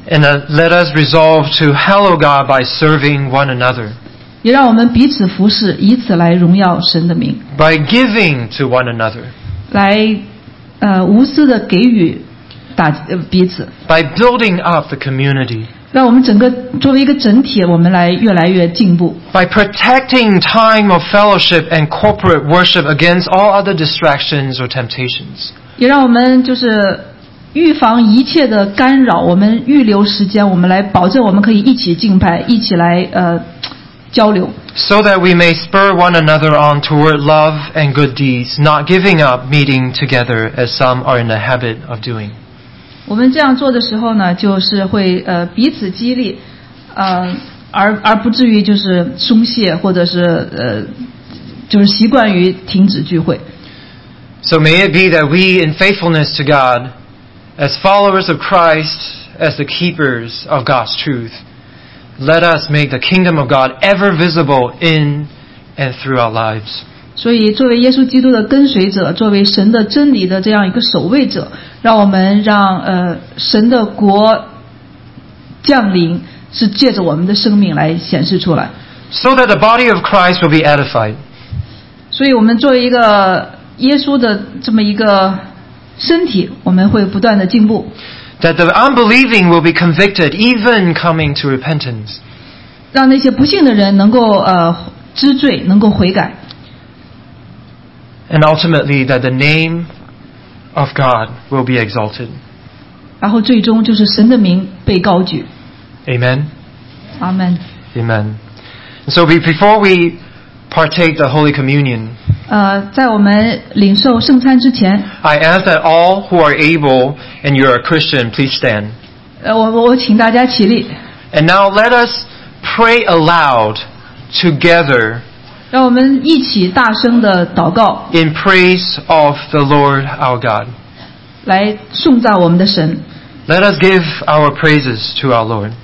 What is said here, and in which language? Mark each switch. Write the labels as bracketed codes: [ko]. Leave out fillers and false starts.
[en] And let us resolve to hallow God by serving one another. [zh] 也让我们彼此服侍，以此来荣耀神的名。 [en] By giving to one another. [zh] 来无私的给予。彼此。 [en] By building up the community. [zh] 让我们整个作为一个整体，我们来越来越进步。 [en] By protecting time of fellowship and corporate worship against all other distractions or temptations. [zh] 也让我们就是预防一切的干扰，我们预留时间，我们来保证我们可以一起敬拜，一起来交流。 [en] So that we may spur one another on toward love and good deeds, not giving up meeting together as some are in the habit of doing. [zh] 我们这样做的时候呢，就是会彼此激励，而不至于就是松懈，或者是就是习惯于停止聚会。 [en] So may it be that we, in faithfulness to God, as followers of Christ, as the keepers of God's truth. Let us make the kingdom of God ever visible in and through our lives. [zh] 所以作为耶稣基督的跟随者，作为神的真理的这样一个守卫者，让我们让神的国降临是借着我们的生命来显示出来。 [en] So that the body of Christ will be edified. [zh] 所以我们作为一个耶稣的这么一个身体，我们会不断的进步。 [en] That the unbelieving will be convicted, even coming to repentance. [zh] 让那些不幸的人能够知罪，能够悔改。 [en] And ultimately, that the name of God will be exalted. [zh] 然后最终就是神的名被高举。 [en] Amen. Amen. Amen. So before we partake the Holy Communion, [zh] 在我们领受圣餐之前 [en] I ask that all who are able and you are a Christian, please stand. [zh] 我请大家起立。 [en] And now let us pray aloud together. [zh] 让我们一起大声的祷告。 [en] In praise of the Lord our God. [zh] 来颂赞我们的神。 [en] Let us give our praises to our Lord.